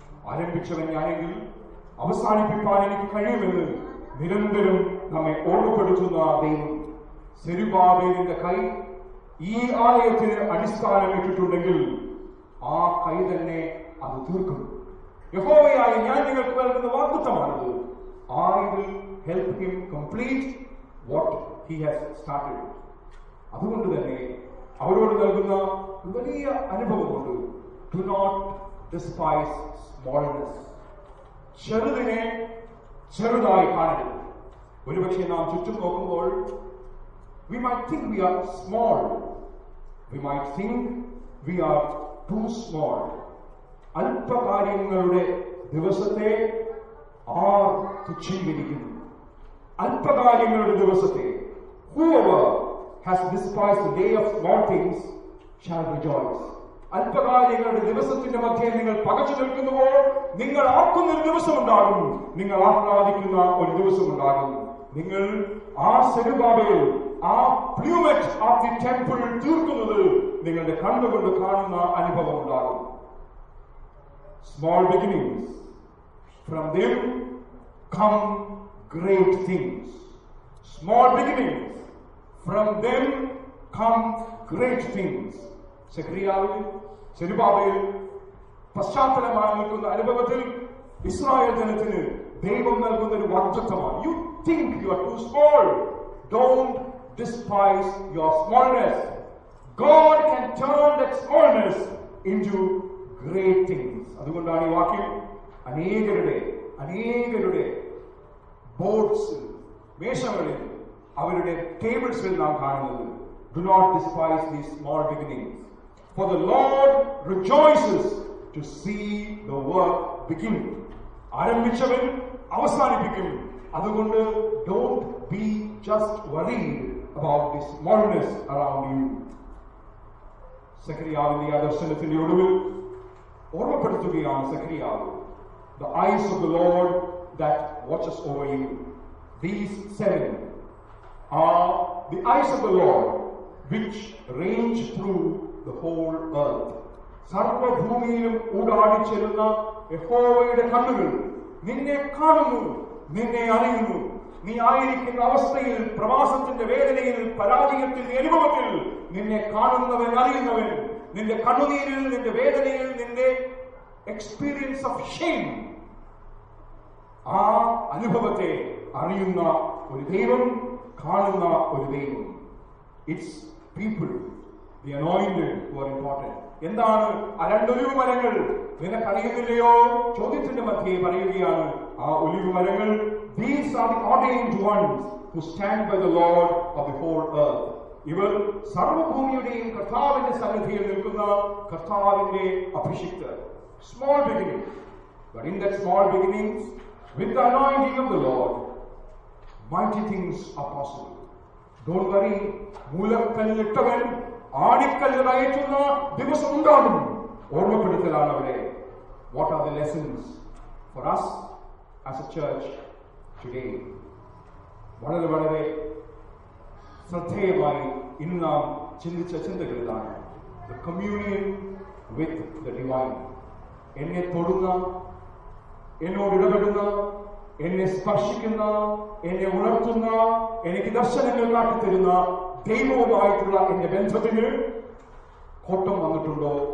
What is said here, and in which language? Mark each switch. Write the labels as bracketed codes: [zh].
[ml] ആരംഭിച്ചവൻ ഞാനെങ്കിൽ അവസാനിപ്പിക്കാൻ എനിക്ക് കഴിയുമെന്ന് നിരന്തരം നമ്മെ ഓർമ്മപ്പെടുത്തുന്ന ദൈവം. സെരുബ്ബാബേലിന്റെ കൈ ഈ ആലയത്തിന് അടിസ്ഥാനം ഇട്ടിട്ടുണ്ടെങ്കിൽ ആ കൈ തന്നെ അത് തീർക്കും. യഹോവയായ ഞാൻ നിങ്ങൾക്ക് നൽകുന്ന വാഗ്ദത്തമാണത്. [en] I will help him complete what he has started. [ml] അതുകൊണ്ട് തന്നെ അവരോട് നൽകുന്ന വലിയ അനുഭവം കൊണ്ട് [en] Do not despise smallness. [ml] ചെറുതിനെ ചെറുതായി കാണരുത്. ഒരുപക്ഷെ നാം ചുറ്റും നോക്കുമ്പോൾ [en] we might think we are small. We might think we are too small. [ml] അല്പകാര്യങ്ങളുടെ ദിവസത്തെ ആർ തുച്ഛീകരിക്കുന്നു? അല്പകാര്യങ്ങളുടെ ദിവസത്തെ. [en] Whoever has despised the day of small things shall rejoice. [ml] അല്പകാലങ്ങളുടെ ദിവസത്തിന്റെ മധ്യയിൽ നിങ്ങൾ പകച്ചു നിൽക്കുമ്പോൾ നിങ്ങൾ ആർക്കുന്ന ഒരു ദിവസം ഉണ്ടാകും, നിങ്ങൾ ആഹ്ലാദിക്കുന്ന ഒരു ദിവസം ഉണ്ടാകും. നിങ്ങൾ ആ സെരുബാബേൽ ആ പ്ലൂമറ്റ് ആ [en] the temple [ml] തീർക്കുന്നത് നിങ്ങളുടെ കണ്ണുകൊണ്ട് കാണുന്ന അനുഭവം ഉണ്ടാകും. [en] Small beginnings, from them come great things. Small beginnings, from them come great things. [ml] സെക്രിയാവിൽ Zerubbabel പശ്ചാത്തലമായി നിൽക്കുന്ന അനുഭവത്തിൽ ഇസ്രായേൽ ജനത്തിന് ദൈവം നൽകുന്ന ഒരു വാഗ്ദത്തമാണ്. [en] You think you are too small, don't despise your smallness. God can turn that smallness into great things. [ml] അതുകൊണ്ടാണ് ഈ വാക്യം അനേകരുടെ അനേകരുടെ ബോർഡ്സ് മേശകളിൽ അവരുടെ ടേബിൾസിൽ നാം കാണുന്നത്. [en] Do not despise these small beginnings. For the Lord rejoices to see the work begin. [ml] ആരംഭിച്ചവൻ അവസാനിപ്പിക്കും. അതുകൊണ്ട് [en] don't be just worried about this smallness around you. [ml] സെക്രിയാവിന്റെ ദർശനത്തിന്റെ ഒടുവിൽ ഓർമ്മപ്പെടുത്തുകയാണ് സെക്രിയാവ്, [en] the eyes of the Lord that watches over you. These seven are the eyes of the Lord which range through the whole earth. [ml] സർവഭൂമിയിലും ഊടാടിച്ചിരുന്ന യഹോവയുടെ കണ്ണുകൾ നിന്നെ കാണുന്നു, നിന്നെ അറിയുന്നു. നീ ആയിരിക്കുന്ന അവസ്ഥയിൽ, പ്രവാസത്തിന്റെ വേദനയിൽ, പരാജയത്തിന്റെ അനുഭവത്തിൽ നിന്നെ കാണുന്നവൻ അറിയുന്നവൻ. നിന്റെ കണ്ണുനീരിൽ, നിന്റെ വേദനയിൽ, നിന്റെ [en] experience of shame, [ml] ആ അനുഭവത്തെ അറിയുന്ന ഒരു ദൈവം, കാണുന്ന ഒരു ദൈവം. [en] It's people, the anointed who are important. [ml] എന്താണ് ആ രണ്ടൊലിവ് മരങ്ങൾ നിനക്കറിയുന്നില്ലയോ? ചോദ്യത്തിന്റെ മധ്യേ പറയുകയാണ് ആ ഒലിവ് മരങ്ങൾ. [en] These are the ordained ones who stand by the Lord of the whole earth. [ml] ഇവർ സർവഭൂമിയുടെയും കർത്താവിന്റെ സന്നിധിയിൽ നിൽക്കുന്ന കർത്താവിന്റെ അഭിഷിക്തർ. [en] Small beginnings, but in that small beginnings, with the anointing of the Lord, mighty things are possible. Don't worry, [ml] മൂലക്കല്ലിട്ടവൻ ആടിക്കല്ല് നയറ്റുന്ന ദിവസം ഉണ്ടാകും. ഓർമ്മപ്പെടുത്തലാണ് അവിടെ. [en] What are the lessons for us as a church today? [ml] വളരെ വളരെ ശ്രദ്ധേയമായി ഇന്ന് നാം ചിന്തിച്ച ചിന്തകൾ ഇതാണ്. [en] The communion with the divine. [ml] എന്നെ തൊടുന്ന, എന്നോട് ഇടപെടുന്ന, എന്നെ സ്പർശിക്കുന്ന, എന്നെ ഉണർത്തുന്ന, എനിക്ക് ദർശനങ്ങൾ കാട്ടിത്തരുന്ന ദൈവവുമായിട്ടുള്ള എന്റെ ബന്ധത്തിന് കോട്ടം വന്നിട്ടുണ്ടോ?